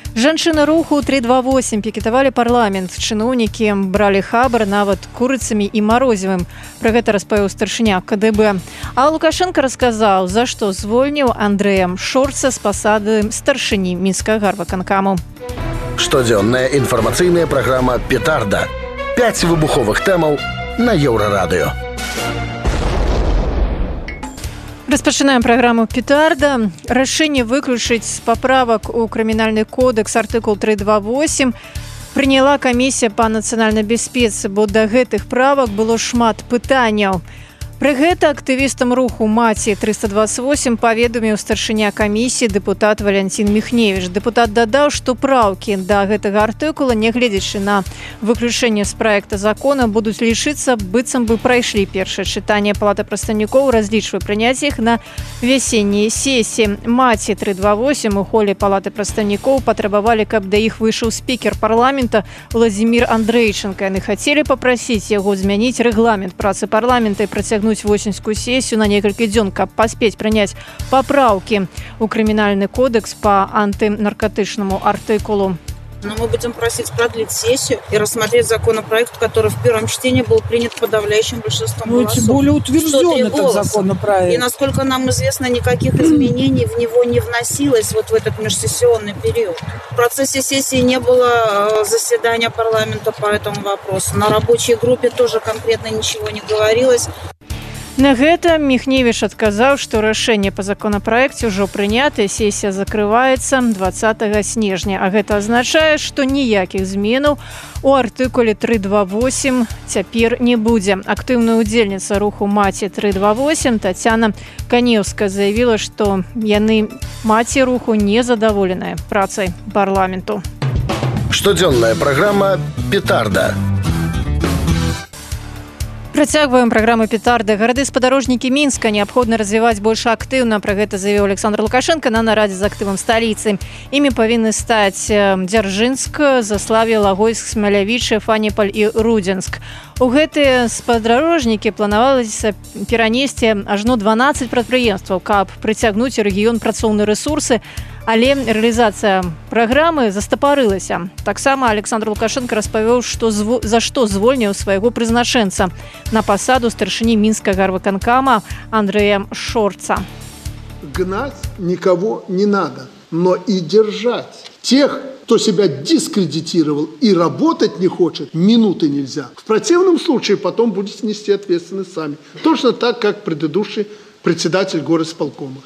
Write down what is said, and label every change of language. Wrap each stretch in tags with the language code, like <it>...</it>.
<be>Жанчыны руху 328 пікетавалі парламент, чыноўнікі бралі хабар нават курыцамі і марозівым. Пра гэта распавёў старшыня КДБ. А Лукашэнка расказаў, за што звольніў Андрэя Шорца з пасады старшыні Мінскага гарвыканкаму. Штодзённая інфармацыйная праграма «Петарда». Пять вибуховых темов на Еврорадио. Распачынаем праграму «Петарда». Рашэнне выключыць з паправак у крымінальны кодэкс артыкул 328 прыняла камісія па нацыянальнай бяспецы, бо да гэтых правак было шмат пытанняў. Пры гэта актывістам руху «Маці 328» паведаміў старшыня камісіі дэпутат Валянцін Міхневіч. Дэпутат дадаў, што праўкі да гэтага артыкула, нягледзячы на выключэнне з праекта закона, будуць лічыцца, быццам бы прайшлі першае чытанне. Палата прадстаўнікоў разлічвае прыняць іх на вясенняй сесіі. «Маці 328» у холе Палаты прадстаўнікоў патрабавалі, каб да іх выйшаў спікер парламента Владзімір Андрэйчынка. Яны хацелі папрасіць яго змяніць рэгламент працы парламента і цягнуць восеньскую сесію на некалькі дзён, каб паспець прыняць папраўкі ў крымінальны кодэкс па антынаркатычнаму артыкулу.</be> <ru>Но мы будем просить продлить сессию и рассмотреть законопроект, который в первом чтении был принят подавляющим большинством голосов. Тем более утвержден этот законопроект. И насколько нам известно, никаких изменений в него не вносилось вот в этот межсессионный период. В процессе сессии не было заседания парламента по этому вопросу. На рабочей группе тоже конкретно ничего не говорилось.</ru> <be>На гэта Міхневіч адказаў, што рашэнне па законапраекце ўжо прынята, сесія закрываецца 20 снежня. А гэта азначае, што ніякіх зменаў у артыкуле 328 цяпер не будзе. Актыўная ўдзельніца руху «Маці 328» Таццяна Канеўска заявіла, што яны маці руху не задаволеныя працай парламенту. Штодзённая праграма «Петарда». Працягваем праграму «Петарды». Гарады-спадарожнікі Мінска неабходна развіваць больш актыўна. Пра гэта заявіў Александр Лукашэнка на нарадзе з актывам сталіцы. Імі павінны стаць Дзяржынск, Заславія, Лагойск, Смалявічы, Фаніпаль і Рудзенск. У гэтыя спадарожнікі планавалася перанесці ажно 12 прадпрыемстваў, каб прыцягнуць у рэгіён працоўныя рэсурсы. Але рэалізацыя праграмы застапарылася. Таксама Александр Лукашэнка распавёў, што за што звольніў свайго прызначэнца на пасаду старшыні Мінскага гарвыканкама Андрэя Шорца.</be> <ru>Гнаць никого не надо, но и держать тех, кто себя дискредитировал и работать не хочет, минуты нельзя. В противном случае потом будете нести ответственность сами. Точно так, как предыдущий председатель горисполкома.</ru>